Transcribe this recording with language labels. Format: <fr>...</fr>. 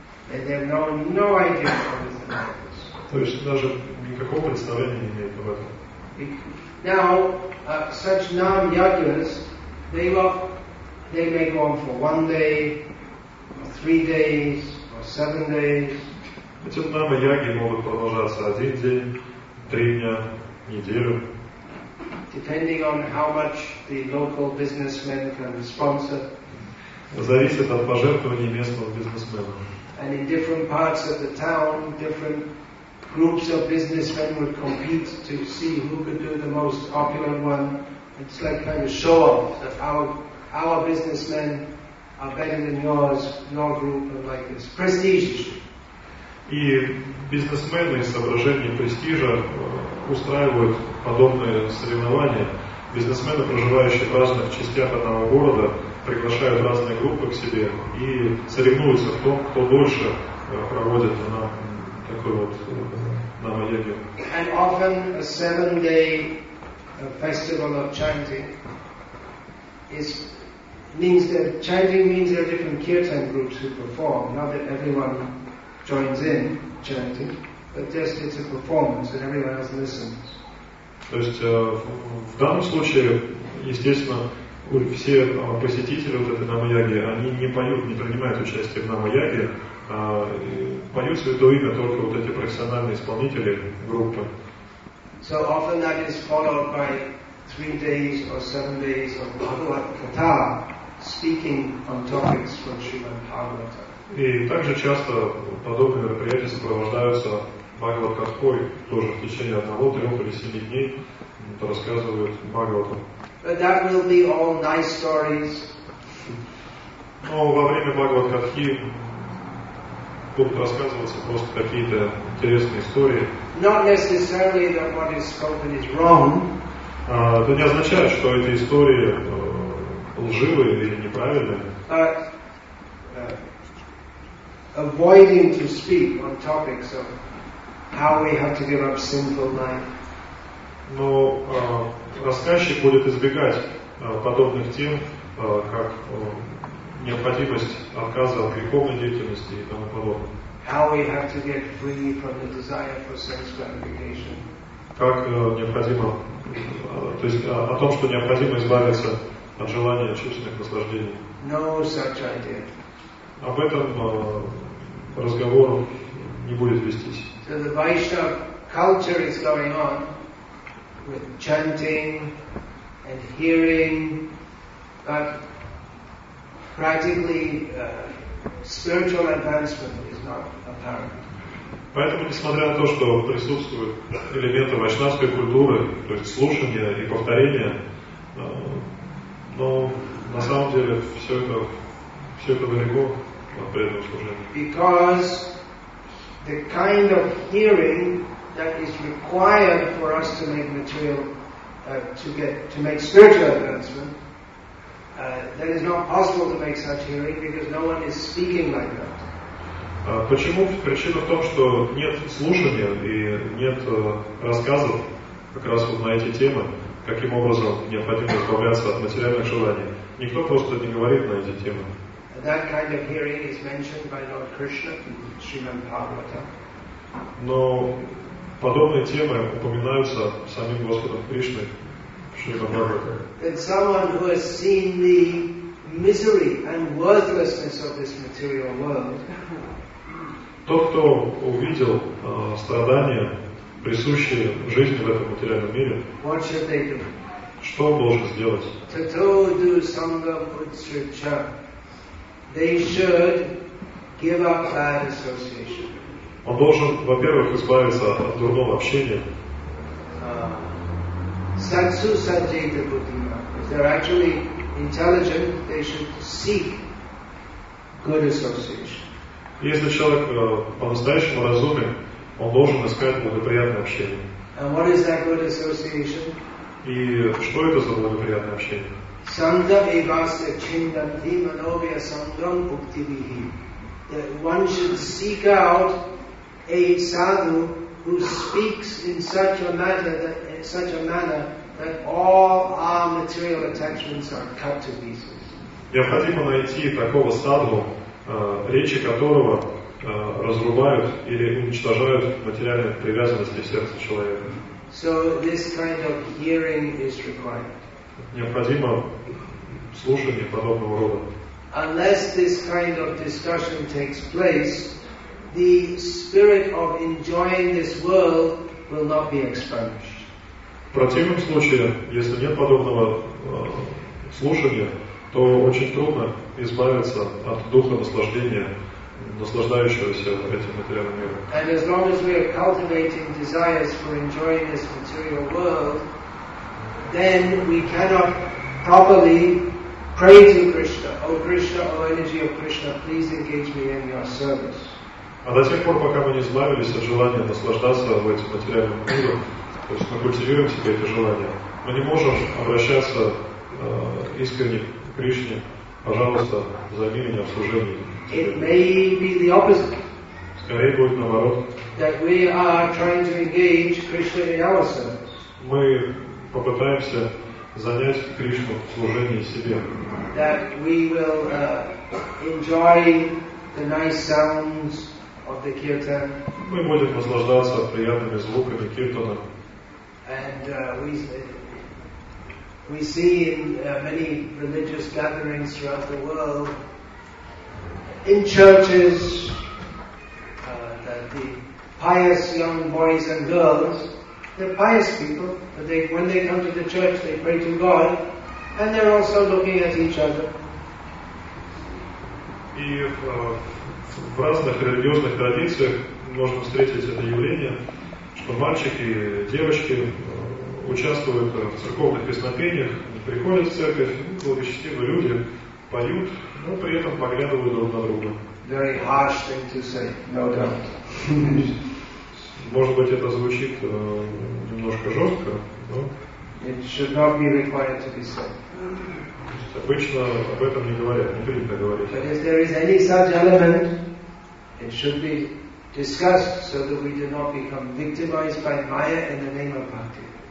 <en>They have no idea what is in this.</en> <ru>То есть даже никакого представления не имеют об этом.</ru> <en>Now, such nam yagyas, they may go on for one day, or 3 days, or 7 days.</en> <ru>Эти нама-яги могут продолжаться один день, три дня, неделю.</ru> <en>Depending on how much the local businessman can sponsor.</en> <ru>Зависит от пожертвований местного бизнесмена.</ru> <en>And in different parts of the town, different groups of businessmen would compete to see who could do the most opulent one. It's like kind of show-off that our businessmen are better than yours, your group, and like this. Prestige.</en> <ru>И бизнесмены из соображений престижа устраивают подобные соревнования. Бизнесмены, проживающие в разных частях одного города, приглашают разные группы к себе и соревнуются в том, кто дольше проводит на такой вот на маяке.</ru> <en>And often a 7-day festival of chanting is means that chanting means there are different kirtan groups who perform. Not that everyone joins in chanting, but just it's a performance and everyone else listens.</en> <ru>То есть в данном случае, естественно, все посетители вот этой намаяги, они не поют, не принимают участие в намаяге, поют святое имя только вот эти профессиональные исполнители группы.</ru> <en>So often that is followed by 3 days or 7 days of Bhagavad Katha. Speaking on topics from Srimad Bhagavatam.</en> <ru>И также часто подобные мероприятия сопровождаются Бхагавад Катхой, тоже в течение 1, 3 или 7 дней рассказывают Бхагаватам.</ru> <en>But that will be all nice stories.</en> <ru>Но во время Бхагавад Катхи будут рассказываться просто какие-то интересные истории.</ru> <en>Not necessarily that what is spoken is wrong.</en> <ru>Это не означает, что эти истории лживые или неправильные.</ru> <en>Avoiding to speak on topics of how we have to give up sinful life.</en> <ru>Но рассказчик будет избегать подобных тем, как необходимость отказа от греховной деятельности и тому подобное.</ru> <en>How we have to get free from the desire for sense gratification.</en> <ru>Как необходимо, то есть о том, что необходимо избавиться от желания чувственных наслаждений.</ru> <en>No such idea.</en> <ru>Об этом разговор не будет вестись.</ru> <en>So the Vaishnava culture is going on with chanting and hearing, but practically spiritual advancement is not apparent.</en> <ru>Поэтому, несмотря на то, что присутствуют элементы вайшнавской культуры, то есть слушание и повторение, но на самом деле все это далеко от преданного служения.</ru> <en>Because the kind of hearing that is required for us to make material, to make spiritual advancement, that is not possible to make such hearing because no one is speaking like that.</en> <ru>Почему? Причина в том, что нет слушания и нет рассказов как раз вот на эти темы, каким образом необходимо избавляться от материальных желаний. Никто просто не говорит на эти темы.</ru> <en>That kind of hearing is mentioned by Lord Krishna in Srimad Bhagavatam.</en> <ru>Но подобные темы упоминаются самим Господом Кришной в Шримад Бхагаватам.</ru> <en>That someone who has seen the misery and worthlessness of this material world.</en> <ru>Тот, кто увидел страдания, присущие жизни в этом материальном мире,</ru> <en>what should they do?</en> <ru>Что должен сделать?</ru> <sa>To todu sangha putsricha,</sa> <en>they should give up bad association.</en> <ru>Он должен, во-первых, избавиться от дурного общения.</ru> <sa>Satsu sanjita putina.</sa> <en>If they're actually intelligent, they should seek good association.</en> <ru>Если человек по-настоящему разумен, он должен искать благоприятное общение.</ru> <en>And what is that good association?</en> <ru>И что это за благоприятное общение?</ru> <sa>Sangha evasya chindanti manovya sangram uktivihi.</sa> <en>That one should seek out a sadhu who speaks in such a manner that all our material attachments are cut to pieces.</en> <ru>Необходимо найти такого сатву, речи которого разрубают или уничтожают материальные привязанности сердца человека.</ru> <en>So this kind of hearing is required.</en> <ru>Необходимо слушание подобного рода.</ru> <en>Unless this kind of discussion takes place, the spirit of enjoying this world will not be expunged.</en> <ru>В противном случае, если нет подобного слушания, то очень трудно избавиться от духа наслаждения, наслаждающегося этим материальным миром.</ru> <en>And as long as we are cultivating desires for enjoying this material world, then we cannot properly pray to Krishna. O Krishna, O energy of Krishna, please engage me in your service.</en> <ru>А до тех пор, пока мы не избавились от желания наслаждаться в этом материальном мире, то есть мы культивируем в себе это желание, мы не можем обращаться искренне Кришне, пожалуйста, займи меня в служении.</ru> <en>It may be the opposite.</en> <ru>Скорее будет наоборот.</ru> <en>That we are trying to engage Krishna in our service.</en> <ru>Мы попытаемся занять Кришну в служении себе.</ru> <en>That we will enjoy the nice sounds of the kirtan.</en> <ru>Мы будем наслаждаться приятными звуками киртана.</ru> <en>And we see in many religious gatherings throughout the world, in churches, that the pious young boys and girls, they're pious people, but they, when they come to the church, they pray to God, and they're also looking at each other.</en> <ru>И в разных религиозных традициях можно встретить это явление, что мальчики и девочки участвуют в церковных песнопениях, приходят в церковь, благочестивые люди поют, но при этом поглядывают друг на друга.</ru> <en>Very harsh thing to say, no doubt.</en> <ru>Может быть, это звучит немножко жестко, но</ru> <en>It should not be required to be said.</en> <ru>Обычно об этом не говорят, не принято говорить.</ru> <en>But if there is any such element, it should be discussed so that we do not become victimized by Maya in the name of bhakti.</en>